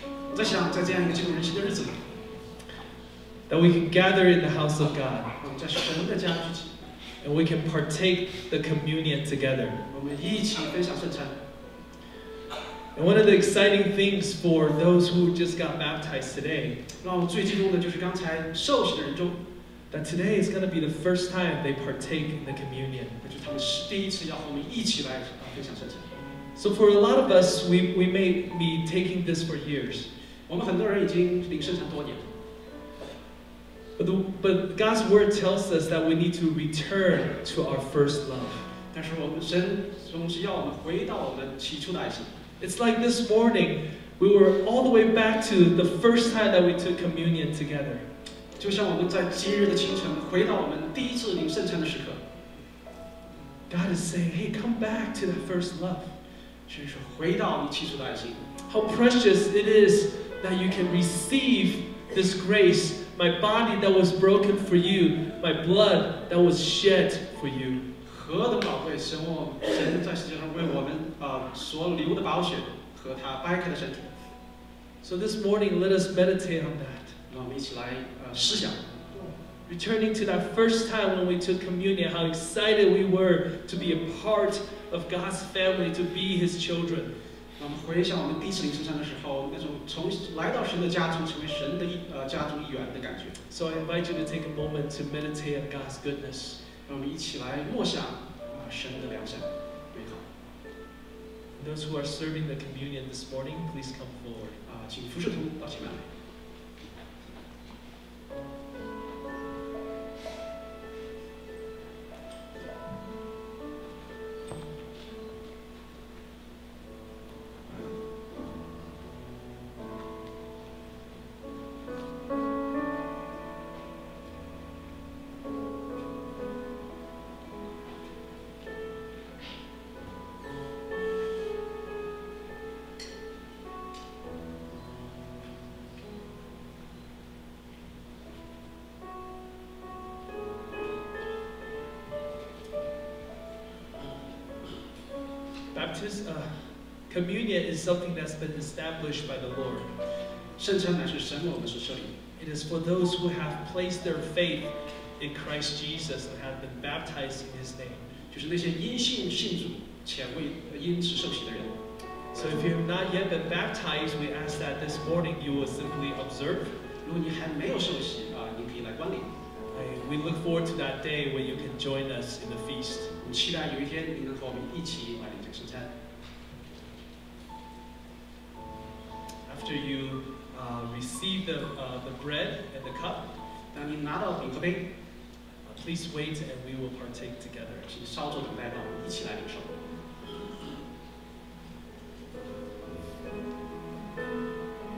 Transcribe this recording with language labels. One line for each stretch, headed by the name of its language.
Chinese: 我在想在这样一个庆祝人心的日子
English: That we can gather in the house of God.
Chinese: 我们在神的家聚集
English: And we can partake the communion together.
Chinese: 我们一起分享圣餐
English: And one of the exciting things for those who just got baptized today.
Chinese: 让我最激动的就是刚才受洗的人中
English: That today is going to be the first time they partake in the communion.
Chinese: 那就是他们是第一次要和我们一起来分享圣餐
English: So for a lot of us, we may be taking this for years.
Chinese: 我们很多人已经领圣餐多年了
English: But God's word tells us that we need to return to our first love.
Chinese: 但是我们神总是要我们回到我们起初的爱心。
English: It's like this morning, we were all the way back to the first time that we took communion together.
Chinese: 就像我们在今日的清晨回到我们第一次领圣餐的时刻。
English: God is saying, "Hey, come back to that first love."
Chinese: 神说回到你起初的爱心。
English: How precious it is that you can receive this grace. My body that was broken for you, my blood that was shed for you.
Chinese: 何等宝贵！神在世界上为我们所流的宝血和他掰开的身体。
English: So this morning, let us meditate on that.
Chinese: 让我们一起来思想。
English: Returning to that first time when we took communion, how excited we were to be a part of God's family, to be His children.
Chinese: 让我们回想我们第一次领圣餐的时候，那种从来到神的家中，成为神的家中一员的感觉。
English: So I invite you to take a moment to meditate on God's goodness.
Chinese: 让我们一起来默想神的良善，美好。
English: Those who are serving the communion this morning, please come forward.
Chinese: 请服侍同到前面来。
English: Communion is something that's been established by the Lord.
Chinese: 圣餐乃是神为我们所设立。
English: It is for those who have placed their faith in Christ Jesus and have been baptized in His name.
Chinese: 就是那些因信信主且为因此受洗的人。
English: So if you have not yet been baptized, we ask that this morning you will simply observe.
Chinese: 如果你还没有受洗啊，你可以来观礼。
English: We look forward to that day when you can join us in the feast.
Chinese: 我期待有一天你能和我们一起来领这个圣餐。
English: After you receive the bread and the cup,
Chinese: 当你拿到饼和杯
English: please wait and we will partake together.
Chinese: 请稍作等待，让我们一起来领受。